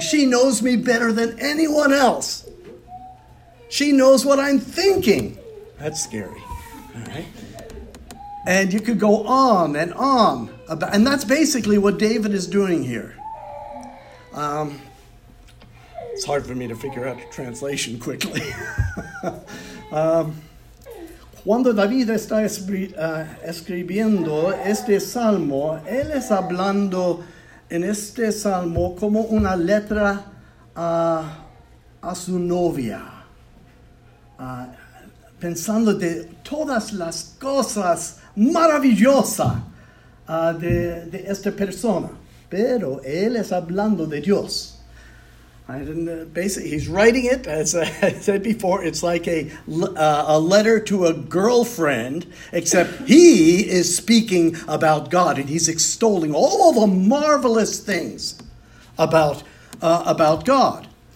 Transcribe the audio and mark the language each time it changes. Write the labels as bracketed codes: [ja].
[en] She knows me better than anyone else. She knows what I'm thinking. That's scary. All right. And you could go on. And that's basically what David is doing here. It's hard for me to figure out a translation quickly. [es] Cuando David está escribiendo este salmo, él es hablando en este salmo como una letra a su novia, pensando de todas las cosas maravillosas de esta persona. Pero él es hablando de Dios. [en] Basically, he's writing it, as I said before, it's like a letter to a girlfriend, except he is speaking about God, and he's extolling all the marvelous things about God.